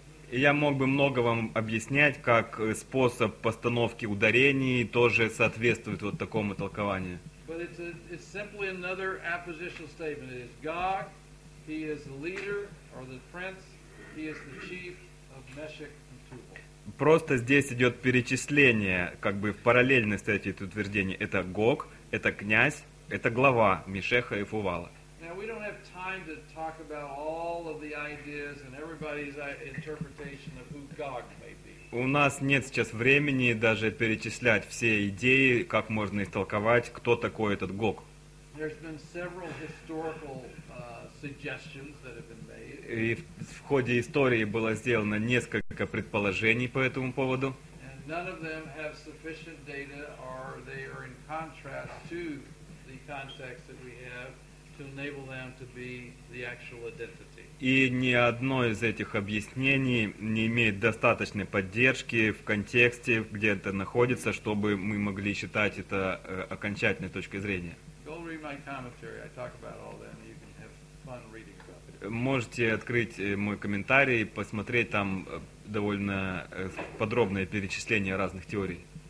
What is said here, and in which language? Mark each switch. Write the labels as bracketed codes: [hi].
[ru] Я мог бы много вам объяснять, как способ постановки ударений тоже соответствует вот такому толкованию. [en] But it's simply another appositional statement. It is God, he is the leader, or the prince, he is the chief of Meshech and Tubal. [ru] просто здесь идет перечисление, как бы в параллельности этих утверждений. Это Гог, это князь, это глава Мешеха и Фувала. [en] Now we don't have time to talk about all of the ideas and everybody's interpretation of who Gog may be. [ru] У нас нет сейчас времени даже перечислять все идеи, как можно истолковать, кто такой этот Гог. [en] There's been several historical suggestions that have been made. [ru] И в ходе истории было сделано несколько предположений по этому поводу. [en] And none of them have sufficient data, or they are in contrast to the context that we have. To enable them to be the actual identity. [ru] И ни одно из этих объяснений не имеет достаточной поддержки в контексте, где это находится, чтобы мы могли считать это окончательной точкой зрения. [en] Go read my commentary. I talk about all that, and you can have fun reading about it. [ru] Можете открыть мой комментарий и посмотреть там довольно подробное перечисление разных теорий.